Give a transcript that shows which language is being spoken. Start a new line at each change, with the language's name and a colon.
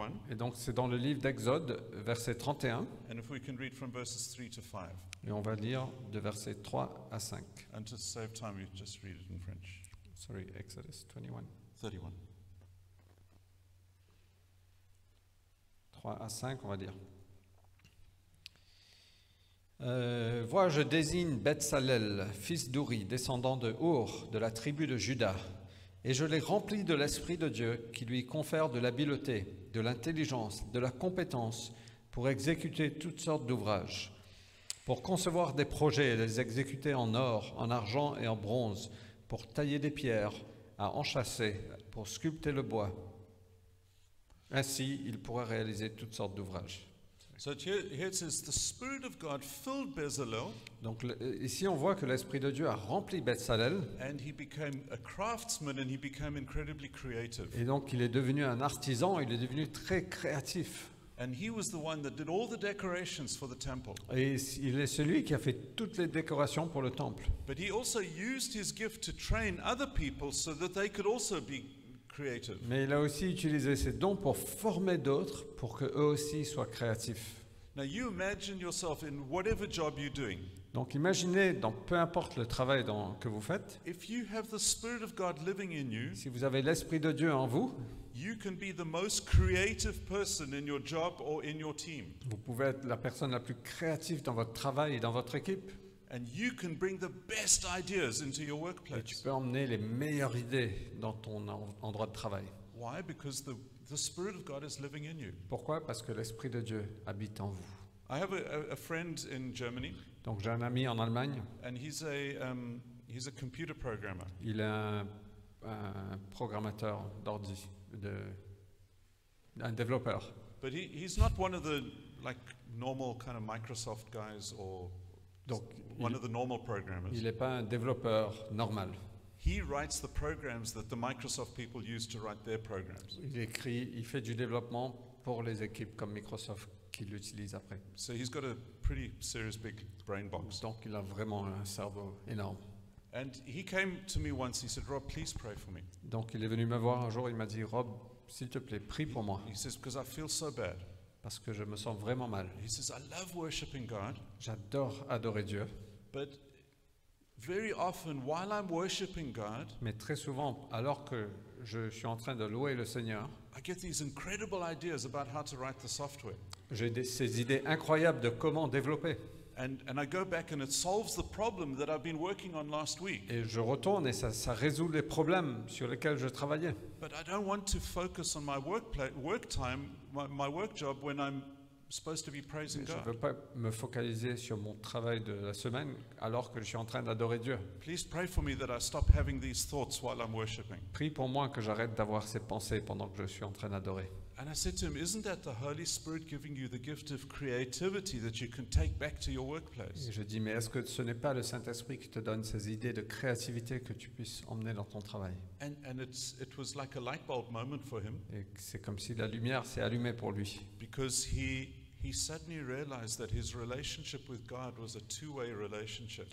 French: Et donc c'est dans le livre d'Exode, verset 31.
English: And if we can read from verses 3 to 5.
French: Et on va lire de versets 3 à 5.
English: And to save time, you just read it in French. Sorry, Exodus 21. 31.
French: 3 à 5, on va dire. Vois, je désigne Betsalel, fils d'Uri, descendant de Hur, de la tribu de Juda. Et je l'ai rempli de l'Esprit de Dieu qui lui confère de l'habileté, de l'intelligence, de la compétence pour exécuter toutes sortes d'ouvrages, pour concevoir des projets et les exécuter en or, en argent et en bronze, pour tailler des pierres, à enchâsser, pour sculpter le bois. Ainsi, il pourra réaliser toutes sortes d'ouvrages.
English: So here it says the Spirit of God filled Bezalel.
French: Donc ici on voit que l'Esprit de Dieu a rempli Bezalel.
English: And he became a craftsman and he became incredibly creative.
French: Et donc il est devenu un artisan, il est devenu très créatif.
English: And he was the one that did all the decorations for the temple.
French: Et il est celui qui a fait toutes les décorations pour le temple.
English: But he also used his gift to train other people so that they could also be creative.
French: Mais il a aussi utilisé ses dons pour former d'autres pour que eux aussi soient créatifs.
English: Now you imagine yourself in whatever job you're doing.
French: Donc imaginez dans peu importe le travail dans, que vous faites.
English: If you have the Spirit of God living in you,
French: si vous avez l'Esprit de Dieu en vous,
English: you can be the most creative person in your job or in your team.
French: Vous pouvez être la personne la plus créative dans votre travail et dans votre équipe.
English: And you can bring the best ideas into your workplace.
French: Et tu peux emmener les meilleures idées dans ton endroit de travail.
English: Why? Because the Spirit of God is living in you.
French: Pourquoi? Parce que l'Esprit de Dieu habite en vous.
English: I have a friend in Germany.
French: Donc j'ai un ami en Allemagne.
English: And he's a computer programmer.
French: Il est un programmateur d'ordi, un développeur.
English: But he's not one of the like normal kind of Microsoft guys or
French: donc,
English: one of the normal programmers.
French: Il n'est pas un développeur normal.
English: He writes the programs that the Microsoft people use to write their programs.
French: Il écrit, il fait du développement pour les équipes comme Microsoft qui l'utilisent après.
English: So he's got a pretty serious big brain box.
French: Donc il a vraiment un cerveau énorme.
English: And he came to me once. He said, "Rob, please pray for me."
French: Donc il est venu me voir un jour. Il m'a dit, "Rob, s'il te plaît, prie pour moi."
English: He says, "Because I feel so bad."
French: Parce que je me sens vraiment mal.
English: He says, "I love worshiping God."
French: J'adore adorer Dieu.
English: But very often, while I'm worshiping God,
French: mais très souvent, alors que je suis en train de louer le Seigneur,
English: I get these incredible ideas about how to write the software.
French: J'ai ces idées incroyables de comment développer.
English: And I go back and it solves the problem that I've been working on last week.
French: Et je retourne et ça résout les problèmes sur lesquels je travaillais.
English: But I don't want to focus on my work time, my work job when I'm supposed to be praising God.
French: Je veux pas me focaliser sur mon travail de la semaine alors que je suis en train d'adorer Dieu.
English: Please pray for me that I stop having these thoughts while I'm worshiping.
French: Prie pour moi que j'arrête d'avoir ces pensées pendant que je suis en train d'adorer.
English: And I said to him, "Isn't that the Holy Spirit giving you the gift of creativity that you can take back to your workplace?"
French: Et je dis, mais est-ce que ce n'est pas le Saint-Esprit qui te donne ces idées de créativité que tu puisses emmener dans ton travail?
English: And it was like a light bulb moment for him.
French: Et c'est comme si la lumière s'est allumée pour lui.
English: Because he suddenly realized that his relationship with God was a two-way relationship.